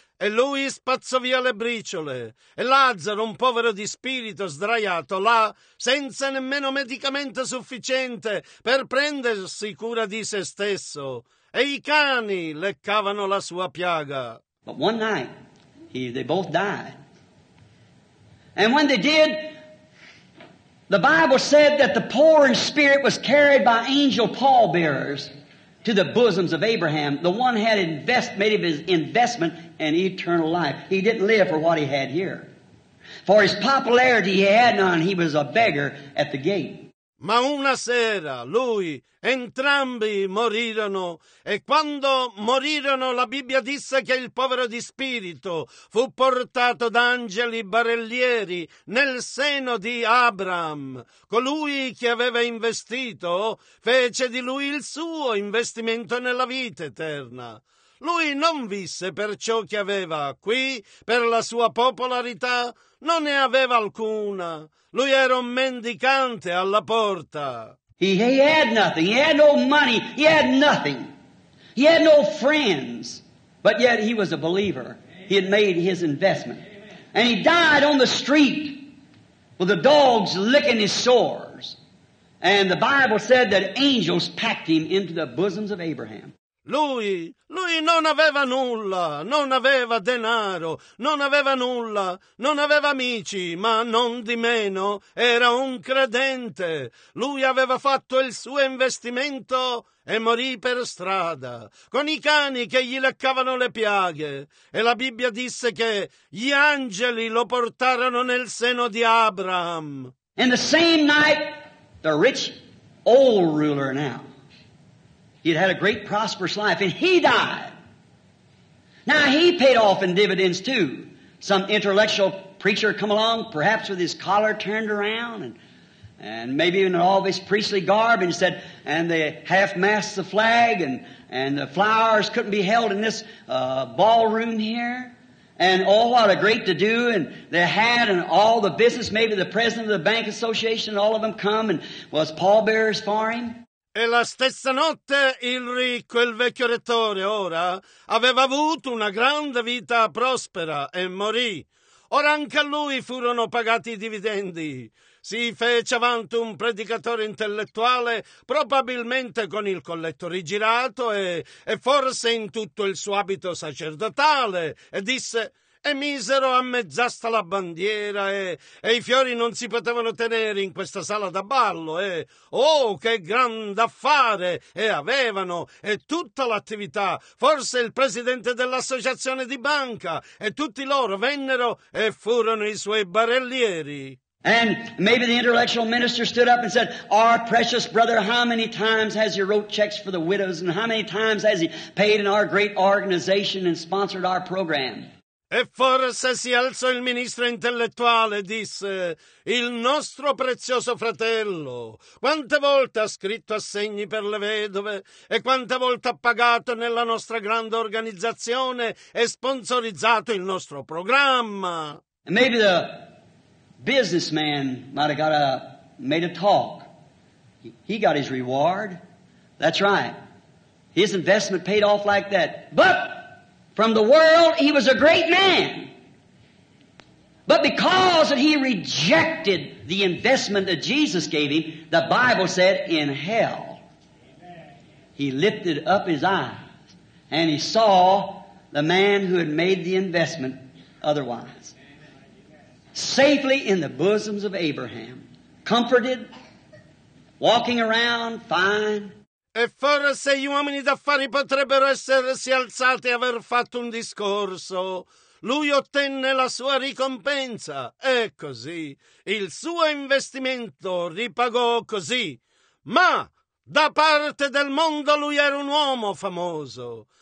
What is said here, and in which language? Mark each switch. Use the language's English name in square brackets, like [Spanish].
[Italian] E lui spazzò via le briciole, e Lazzaro, un povero di spirito, sdraiato là, senza nemmeno medicamento sufficiente per prendersi cura di se stesso. E i cani leccavano la sua piaga. [English] But one night, they both died. And when they did, the Bible said that the poor in spirit was carried by angel pallbearers to the bosoms of Abraham. The one had made his investment in eternal life. He didn't live for what he had here. For his popularity he had none, he was a beggar at the gate. [Italian] Ma una sera lui, entrambi morirono, e quando morirono la Bibbia disse che il povero di spirito fu portato da angeli barellieri nel seno di Abram. Colui che aveva investito fece di lui il suo investimento nella vita eterna. Lui non visse per ciò che aveva qui, per la sua popolarità, non ne aveva alcuna. Lui era un mendicante alla porta. [English] He had nothing. He had no money. He had nothing. He had no friends. But yet he was a believer. He had made his investment. And he died on the street with the dogs licking his sores. And the Bible said that angels packed him into the bosoms of Abraham. [Italian] Lui non aveva nulla, non aveva denaro, non aveva nulla, non aveva amici, ma non di meno era un credente. Lui aveva fatto il suo investimento e morì per strada, con i cani che gli leccavano le piaghe. E la Bibbia disse che gli angeli lo portarono nel seno di Abraham. [English] In the same night, the rich old ruler now. He had a great prosperous life, and he died. Now, he paid off in dividends, too. Some intellectual preacher come along, perhaps with his collar turned around, and maybe in all of his priestly garb, and said, and they half-masked the flag, and the flowers couldn't be held in this ballroom here. And oh, what a great to-do, and they had, and all the business, maybe the president of the bank association, all of them come, and was pallbearers for him. [Italian] E la stessa notte il ricco, il vecchio rettore, ora, aveva avuto una grande vita prospera e morì. Ora anche a lui furono pagati i dividendi. Si fece avanti un predicatore intellettuale, probabilmente con il colletto rigirato e forse in tutto il suo abito sacerdotale, e disse, e misero a mezz'asta la bandiera e i fiori non si potevano tenere in questa sala da ballo e oh che grand affare e avevano e tutta l'attività, forse il presidente dell'associazione di banca e tutti loro vennero e furono i suoi barellieri. [English] And maybe the intellectual minister stood up and said, our precious brother, how many times has he wrote checks for the widows and how many times has he paid in our great organization and sponsored our program? [Italian] E forse si alzò il ministro intellettuale e disse, il nostro prezioso fratello, quante volte ha scritto assegni per le vedove e quante volte ha pagato nella nostra grande organizzazione e sponsorizzato il nostro programma? [English] And maybe the businessman might have got up, made a talk. He got his reward. That's right. His investment paid off like that. But from the world, he was a great man. But because he rejected the investment that Jesus gave him, the Bible said in hell, he lifted up his eyes and he saw the man who had made the investment otherwise. Safely in the bosoms of Abraham, comforted, walking around fine. [Italian] E forse gli uomini d'affari potrebbero essersi alzati e aver fatto un discorso. Lui ottenne la sua ricompensa e così il suo investimento ripagò così. Ma da parte del mondo lui era un uomo famoso.